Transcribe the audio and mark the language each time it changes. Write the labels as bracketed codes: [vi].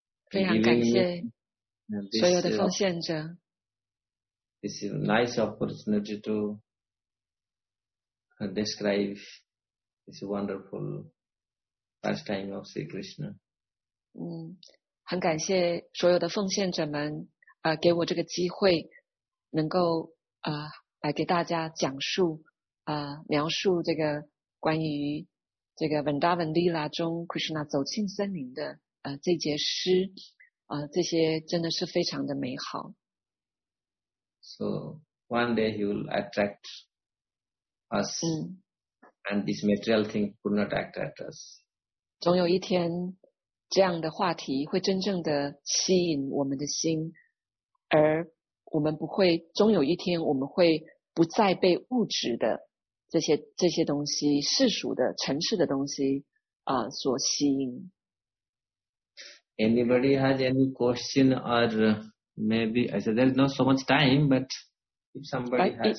[zh] 非常感谢所有的奉献者。 [en] This is a nice opportunity to describe this wonderful pastime of Sri Krishna. [zh] 很感谢所有的奉献者们给我这个机会能够来给大家讲述描述这个关于这个 Vrindavan Lila 中 Krishna 走进森林的这节诗这些真的是非常的美好。 [en] So one day he will attract us. Mm. And this material thing could not attract us. [zh] 总有一天这样的话题会真正的吸引我们的心，而我们不会，终有一天我们会不再被物质的这些东西，世俗的尘世的东西所吸引。 [en] Anybody has any question or maybe I said there's not so much time, but if somebody